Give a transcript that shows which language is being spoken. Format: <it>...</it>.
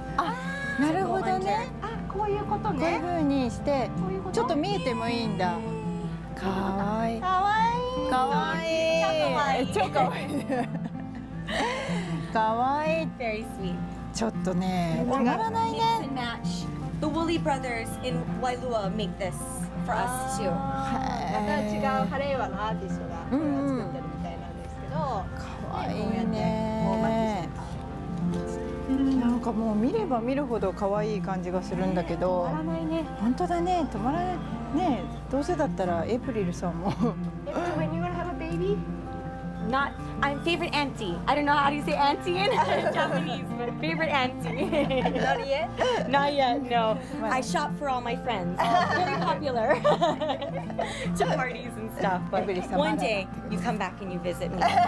<ja>あなるほどねあこういうことねこういう風にしてちょっと見えてもいいんだ可愛い可愛い可愛い超可愛い可愛い</ja> <en>very sweet</en> <ja>ちょっとね、止まらないね。</ja> <en>The Woolly Brothers in Wailua make this for us too.</en> <ja>また違うハレイワのアーティストが作ってるみたいなんですけど、かわいいね。なんかもう見れば見るほどかわいい感じがするんだけど、止まらないね。本当だね、止まらないね。どうせだったらエプリルさんも。</ja> <en>When you gonna have a baby? Not, I'm favorite auntie. I don't know how to say auntie in Japanese, but favorite auntie. Not yet? Not yet, no. Well. I shop for all my friends. Very popular. to parties and stuff. But one day, you come back and you visit me.</en>